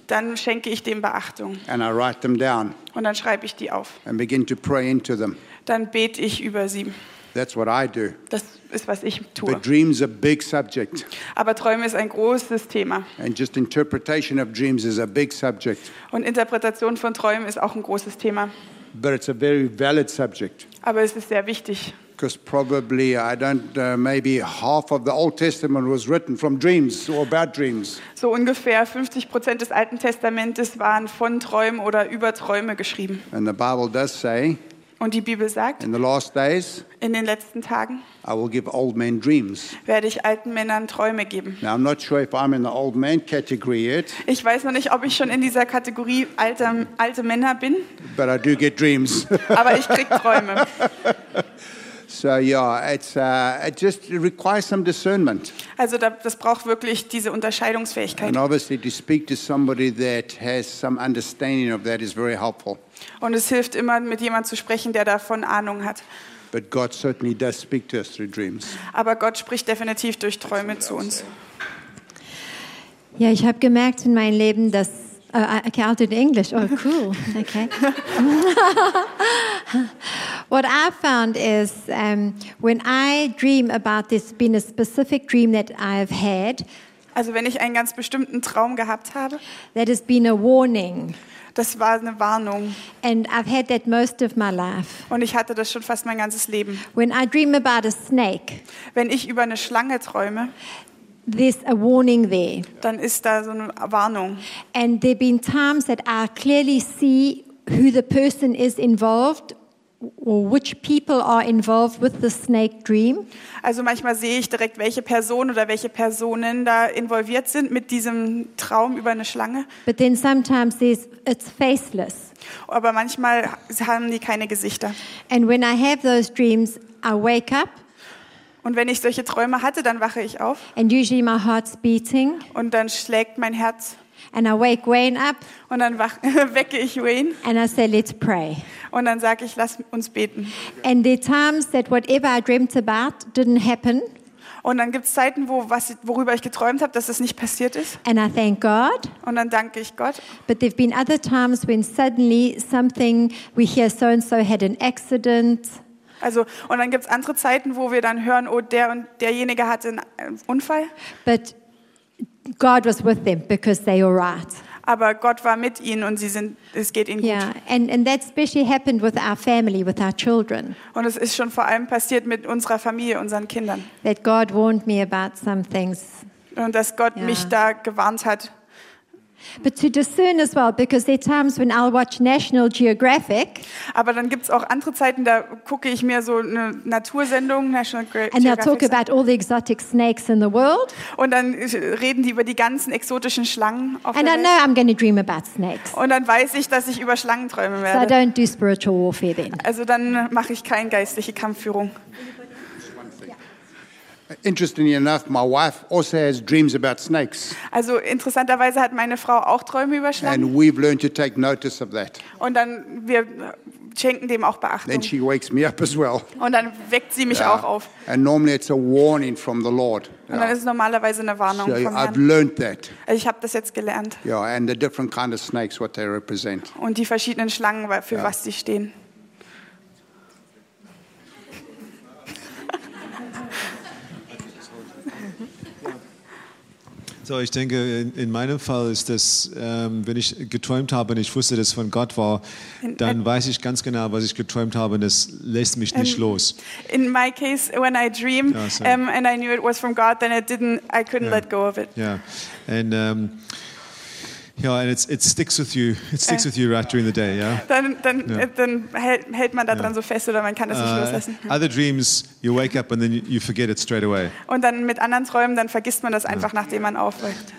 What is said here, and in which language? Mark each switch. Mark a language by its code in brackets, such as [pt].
[de] Dann schenke ich dem Beachtung. [en] And I write them down. [de] Und dann schreibe ich die auf. [en] And begin to pray into them. [de] Dann bete ich über sie. [en] That's what I do. [de] Das ist, was ich tue. [en] But dreams are a big subject. [de] Aber Träume ist ein großes Thema. [en] And just interpretation of dreams is a big subject. [de] Und Interpretation von Träumen ist auch ein großes Thema. [en] But it's a very valid subject. [de] Aber es ist sehr wichtig. [en] Because probably I don't maybe half of the Old Testament was written from dreams or about dreams. [de] So ungefähr 50% des Alten Testamentes waren von Träumen oder über Träume geschrieben. [en] And the Bible does say. [de] Und die Bibel sagt. [en] In the last days. [de] In den letzten Tagen. [en] I will give old men dreams. [de] Werde ich alten Männern Träume geben. [en] Now I'm not sure if I'm in the old man category yet. [de] Ich weiß noch nicht, ob ich schon in dieser Kategorie alte Männer bin. [en] But I do get dreams. [de] Aber ich krieg Träume. [en] So yeah, it just requires some discernment. [de] Also das braucht wirklich diese Unterscheidungsfähigkeit. [en] And obviously to speak to somebody that has some understanding of that is very helpful. [de] Und es hilft immer, mit jemandem zu sprechen, der davon Ahnung hat. [en] But God certainly does speak to us through dreams. [de] Aber Gott spricht definitiv durch Träume zu uns. Ja, ich habe gemerkt in meinem Leben, dass okay, [en] I'll do it in English. Oh, cool. Okay. What I found is when I dream about this being a specific dream that I've had. [de] Also wenn ich einen ganz bestimmten Traum gehabt habe. [en] That has been a warning. [de] Das war eine Warnung. [en] And I've had that most of my life. [de] Und ich hatte das schon fast mein ganzes Leben. [en] When I dream about a snake. [de] Wenn ich über eine Schlange träume. [en] There's a warning there. [de] Dann ist da so eine Warnung. [en] And there've been times that I clearly see who the person is involved or which people are involved with the snake dream. [de] Also manchmal sehe ich direkt, welche Person oder welche Personen da involviert sind mit diesem Traum über eine Schlange. [en] But then sometimes it's faceless. [de] Aber manchmal haben die keine Gesichter. [en] And when I have those dreams, I wake up. [de] Und wenn ich solche Träume hatte, dann wache ich auf. [en] And usually my heart's beating. [de] Und dann schlägt mein Herz. [en] And I wake Wayne up. [de] Und dann wecke ich Wayne. [en] And I say, let's pray. [de] Und dann sage ich, lass uns beten. [en] And the times that whatever I dreamt about didn't happen. [de] Und dann gibt es Zeiten, worüber ich geträumt habe, dass es nicht passiert ist. [en] And I thank God. [de] Und dann danke ich Gott. [en] But there've been other times when suddenly something, we hear so and so had an accident. [de] Also, und dann gibt es andere Zeiten, wo wir dann hören, oh, der und derjenige hatte einen Unfall. [en] But God was with them because they are right. [de] Aber Gott war mit ihnen und es geht ihnen gut. [en] Yeah, and that especially happened with our family, with our children. [de] Und es ist schon vor allem passiert mit unserer Familie, unseren Kindern. [en] That God warned me about some things. [de] Und dass Gott mich da gewarnt hat. [en] But to discern as well, because there are times when I'll watch National Geographic. [de] Aber dann gibt's auch andere Zeiten, da gucke ich mir so eine Natursendung, National Geographic. [en] And they'll talk about all the exotic snakes in the world. [de] Und dann reden die über die ganzen exotischen Schlangen auf [en] And [de] der [en] I [de] Welt. [en] Know I'm going to dream about snakes. [de] Und dann weiß ich, dass ich über Schlangen träumen werde. [en] So I don't do spiritual warfare then. [de] Also dann mache ich keine geistliche Kampfführung. [en] Interestingly enough, my wife also has dreams about snakes. [de] Also interessanterweise hat meine Frau auch Träume über Schlangen. [en] And we've learned to take notice of that. [de] Und dann wir schenken dem auch Beachtung. [en] Then she wakes me up as well. [de] Und dann weckt sie mich auch auf. [en] And normally it's a warning from the Lord. [de] Und dann ist es normalerweise eine Warnung so vom Herrn. [en] I've learned that. [de] Ich habe das jetzt gelernt. [en] Yeah, and the different kind of snakes what they represent. [de] Und die verschiedenen Schlangen für was sie stehen. So, ich denke, in meinem Fall ist das, wenn ich geträumt habe und ich wusste, dass es von Gott war, dann weiß ich ganz genau, was ich geträumt habe und das lässt mich nicht los. [en] In my case, when I dream and I knew it was from God, then I couldn't let go of it. Yeah, and and it sticks with you. It sticks with you right during the day, yeah? [de] Dann hält man da dran so fest oder man kann das nicht loslassen. [en] Other dreams, you wake up and then you forget it straight away. [de] Und dann mit anderen Träumen, dann vergisst man das einfach, nachdem man aufwacht.